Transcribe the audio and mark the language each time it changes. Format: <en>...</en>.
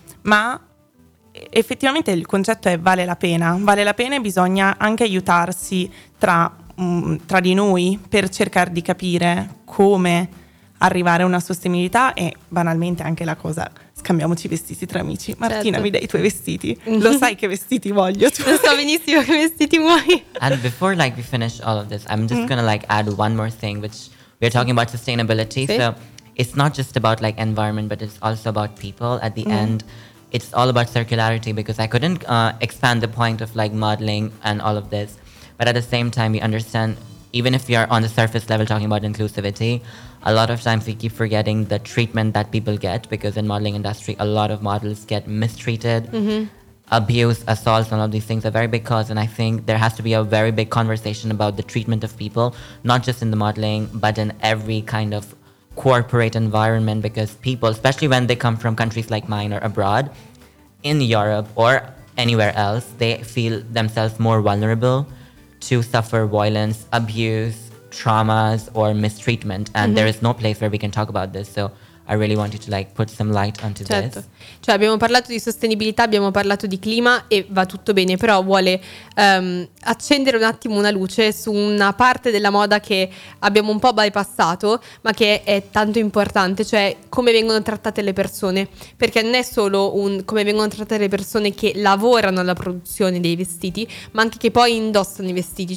<it>Ma effettivamente il concetto è vale la pena. Vale la pena e bisogna anche aiutarsi tra di noi per cercare di capire come arrivare a una sostenibilità. E banalmente anche la cosa, scambiamoci vestiti tra amici. Martina, mi dai i tuoi vestiti? Lo sai che vestiti voglio tu? Lo so benissimo che vestiti vuoi.</it> <en>And before like we finish all of this, I'm just gonna like add one more thing, which we're talking about sustainability. So it's not just about like environment, but it's also about people at the end. It's all about circularity, because I couldn't expand the point of like modeling and all of this. But at the same time, we understand, even if we are on the surface level talking about inclusivity, a lot of times we keep forgetting the treatment that people get, because in modeling industry, a lot of models get mistreated, abuse, assaults, and all of these things are very big cause. And I think there has to be a very big conversation about the treatment of people, not just in the modeling, but in every kind of corporate environment, because people, especially when they come from countries like mine or abroad, in Europe or anywhere else, they feel themselves more vulnerable to suffer violence, abuse, traumas, or mistreatment. And there is no place where we can talk about this. So I really wanted to like put some light onto</en> <it>certo.</it> <en>This.</en> <it>Cioè abbiamo parlato di sostenibilità, abbiamo parlato di clima e va tutto bene, però vuole accendere un attimo una luce su una parte della moda che abbiamo un po' bypassato, ma che è tanto importante, cioè come vengono trattate le persone, perché non è solo un come vengono trattate le persone che lavorano alla produzione dei vestiti, ma anche che poi indossano i vestiti.</it>